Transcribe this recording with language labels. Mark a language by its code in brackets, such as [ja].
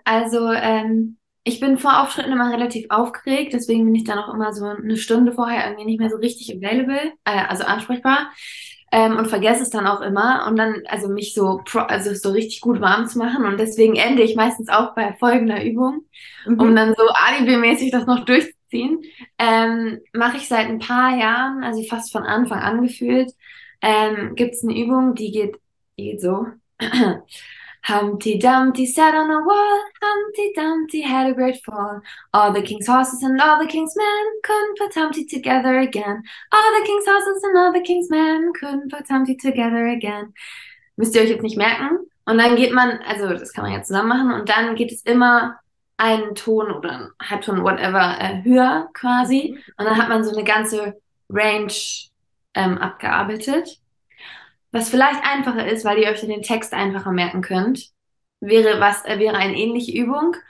[de] Also, ich bin vor Auftritten immer relativ aufgeregt, deswegen bin ich dann auch immer so eine Stunde vorher irgendwie nicht mehr so richtig available, also ansprechbar, und vergesse es dann auch immer und dann, also mich so, also so richtig gut warm zu machen, und deswegen ende ich meistens auch bei folgender Übung, um dann so alibi-mäßig das noch durchzuziehen, mache ich seit ein paar Jahren, also fast von Anfang an gefühlt, gibt es eine Übung, die geht so. [en] Humpty Dumpty sat on a wall. Humpty Dumpty had a great fall. All the king's horses and all the king's men couldn't put Humpty together again. All the king's horses and all the king's men couldn't put Humpty together again. [de] Müsst ihr euch jetzt nicht merken. Und dann geht man, also das kann man ja zusammen machen, und dann geht es immer einen Ton oder einen Halbton, whatever, höher quasi. Und dann hat man so eine ganze Range abgearbeitet. Was vielleicht einfacher ist, weil ihr euch den Text einfacher merken könnt, wäre eine ähnliche Übung.